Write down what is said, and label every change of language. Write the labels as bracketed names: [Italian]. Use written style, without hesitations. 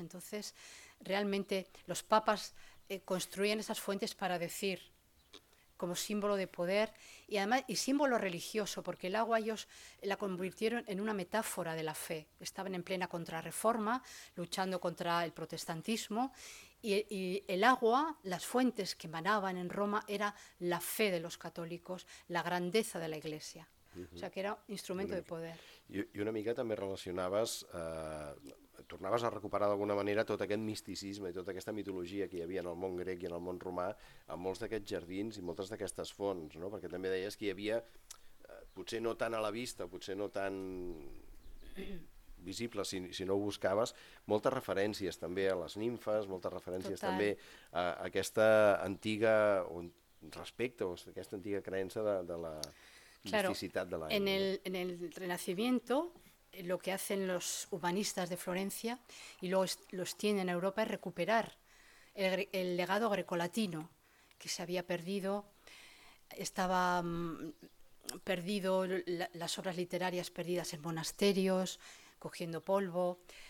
[Spanish] Entonces, realmente, los papas construían esas fuentes para decir, como símbolo de poder, y además, y símbolo religioso, porque el agua ellos la convirtieron en una metáfora de la fe. Estaban en plena contrarreforma, luchando contra el protestantismo, y el agua, las fuentes que emanaban en Roma, era la fe de los católicos, la grandeza de la Iglesia. Uh-huh. O sea, que era instrumento de poder. [Catalan] I una mica també relacionaves, tornaves a recuperar d'alguna manera tot aquest misticisme i tota aquesta mitologia que hi havia en el món grec i en el món romà amb molts d'aquests jardins i moltes d'aquestes fonts, no? Perquè també deies que hi havia, potser no tan a la vista, potser no tan visible si no ho buscaves, moltes referències també a les nimfes, moltes referències total també a aquesta antiga respecte o aquesta antiga creença de la... [Spanish] Claro, en el Renacimiento lo que hacen los humanistas de Florencia y luego los tienen a Europa es recuperar el legado grecolatino que se había perdido, estaba perdido las obras literarias perdidas en monasterios, cogiendo polvo,